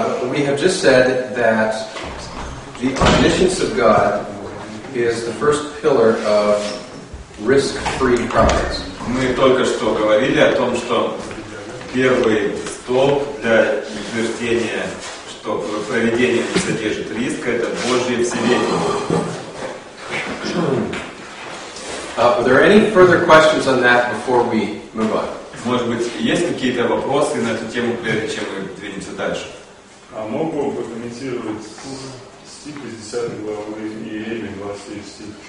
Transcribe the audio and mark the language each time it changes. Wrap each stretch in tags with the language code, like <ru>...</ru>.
<en>We have just said that the omniscience of God is the first pillar of risk-free progress.</en> <ru>Мы только что говорили о том, что первый столб для утверждения, что проведение не содержит риска, это Божье вселение.</ru> <en>Are there any further questions on that before we move on?</en> <ru>Может быть, есть какие-то вопросы на эту тему, прежде чем мы двинемся дальше? А мог бы прокомментировать стих 50 главы Иеремии, 23 стих?</ru>